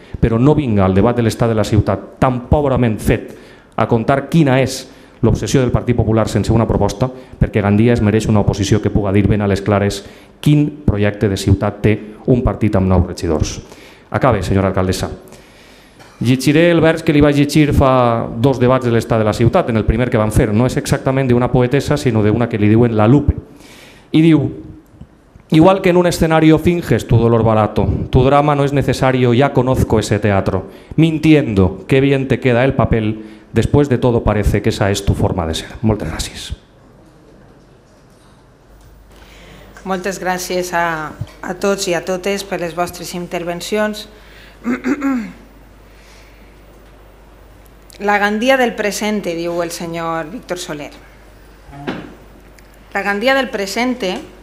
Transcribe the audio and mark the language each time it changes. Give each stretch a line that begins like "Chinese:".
Catalan: Però no vinga al debat de l'estat de la ciutat tan pobrament fet a contar quina és l'obsessió del Partit Popular sense una proposta, perquè Gandia es mereix una oposició que puga dir ben a les clares quin projecte de ciutat té un partit amb nou regidors. Acabe, senyora alcaldessa. Llegiré el vers que li vaig llegir fa dos debats de l'estat de la ciutat, en el primer que van fer. No és exactament d'una poetessa, sinó d'una que li diuen la Lupe. I diu:
Spanish: igual que en un escenario finges tu dolor barato, tu drama no es necesario, ya conozco ese teatro. Mintiendo, qué bien te queda el papel, después de todo parece que esa es tu forma de ser.
Catalan: Moltes gràcies. Moltes gràcies a tots i a totes per les vostres intervencions.
Spanish: La Gandia del presente,
Catalan: diu el senyor
Spanish: Víctor Soler. La Gandia del presente